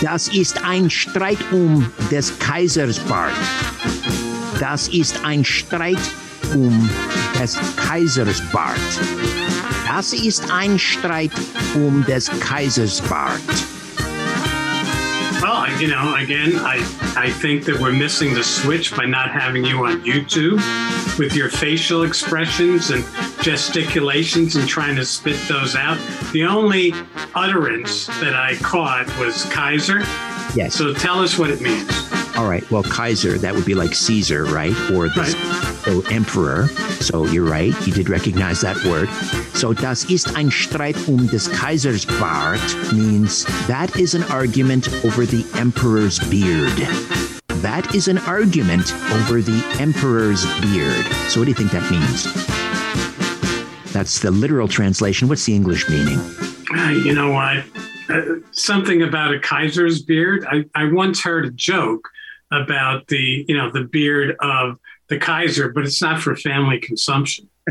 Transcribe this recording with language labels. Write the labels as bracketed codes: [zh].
[de] Das ist ein Streit des Kaisersbart. Das ist ein Streit des Kaisersbart. Das ist ein Streit des Kaisersbart. [en] Well, you know, again, I think that we're missing the switch by not having you on YouTube with your facial expressions and gesticulations and trying to spit those out. The only utterance that I caught was Kaiser. Yes. So tell us what it means. All right. Well, Kaiser, that would be like Caesar, right? Or the emperor. So you're right. You did recognize that word. So [de] das ist ein Streit des Kaisersbart [en] means that is an argument over the emperor's beard. That is an argument over the emperor's beard. So what do you think that means? That's the literal translation. What's the English meaning? You know what? Something about a Kaiser's beard. I once heard a joke about the, you know, the beard of the Kaiser, but it's not for family consumption.